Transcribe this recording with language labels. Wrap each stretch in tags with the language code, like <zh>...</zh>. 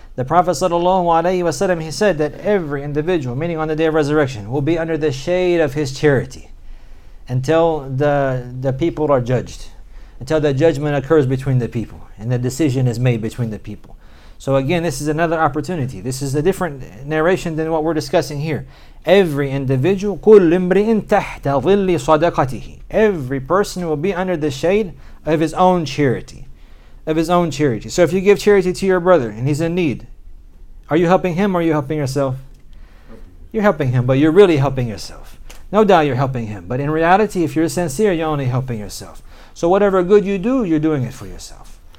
<en>The Prophet sallallahu alayhi wa sallam, he said that every individual, meaning on the day of resurrection, will be under the shade of his charity until the people are judged, until the judgment occurs between the people and the decision is made between the people. So again, this is another opportunity. This is a different narration than what we're discussing here. Every individual,</en> <ar>كل امرئ تحت ظل صدقته.</ar> <en>Every person will be under the shade of his own charity. Of his own charity. So if you give charity to your brother and he's in need, are you helping him or are you helping yourself? You're helping him, but you're really helping yourself. No doubt you're helping him. But in reality, if you're sincere, you're only helping yourself. So whatever good you do, you're doing it for yourself.</en>